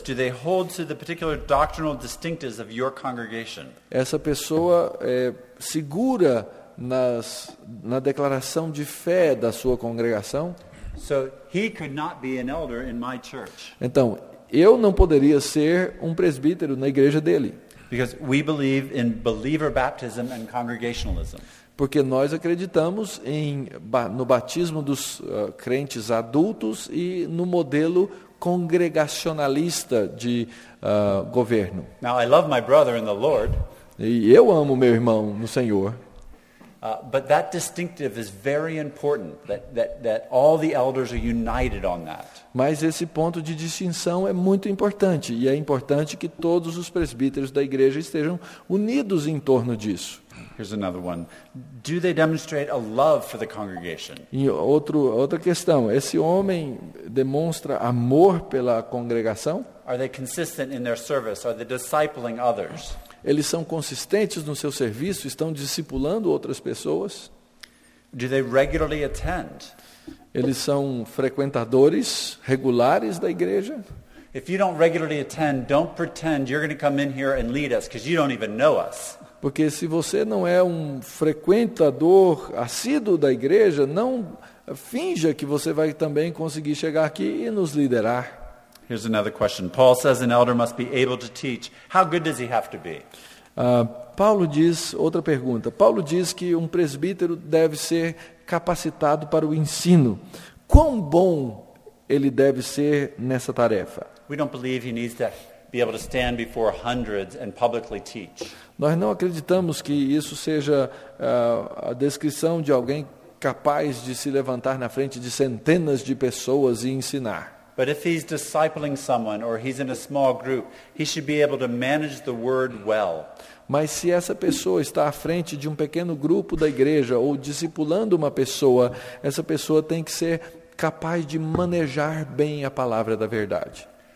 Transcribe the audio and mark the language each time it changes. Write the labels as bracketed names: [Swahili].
[English] Do they hold to the particular doctrinal distinctives of your congregation? [Portuguese] Essa pessoa é segura na declaração de fé da sua congregação? [English] So he could not be an elder in my church. [Portuguese] Então, eu não poderia ser um presbítero na igreja dele. [English] Because we believe in believer baptism and congregationalism. [Portuguese] Porque nós acreditamos no batismo dos crentes adultos e no modelo congregacionalista de governo. [English] Now I love my brother in the Lord. [Portuguese] E eu amo meu irmão no Senhor. [English] But that distinctive is very important, that all the elders are united on that. [Portuguese] Mas esse ponto de distinção é muito importante, e é importante que todos os presbíteros da igreja estejam unidos em torno disso. [English] Here's another one. Do they demonstrate a love for the congregation? [Portuguese] E outra questão, esse homem demonstra amor pela congregação? [English] Are they consistent in their service? Are they discipling others? [Portuguese] Eles são consistentes no seu serviço? Estão discipulando outras pessoas? [English] Do they regularly attend? [Portuguese] Eles são frequentadores regulares da igreja? [English] If you don't regularly attend, don't pretend you're going to come in here and lead us, because you don't even know us. [Portuguese] Porque se você não é um frequentador assíduo da igreja, não finja que você vai também conseguir chegar aqui e nos liderar. [English] Here's another question. Paul says an elder must be able to teach. How good does he have to be? [Portuguese] Paulo diz, outra pergunta. Paulo diz que um presbítero deve ser capacitado para o ensino. Quão bom ele deve ser nessa tarefa? [English] We don't believe he needs to be able to stand before hundreds and publicly teach. [Portuguese] Nós não acreditamos que isso seja a descrição de alguém capaz de se levantar na frente de centenas de pessoas e ensinar. [English] But if he's discipling someone or he's in a small group, he should be able to manage the word well. [Portuguese] Mas se essa pessoa está à frente de um pequeno grupo da igreja ou discipulando uma pessoa, essa pessoa tem que ser capaz de manejar bem a palavra da verdade.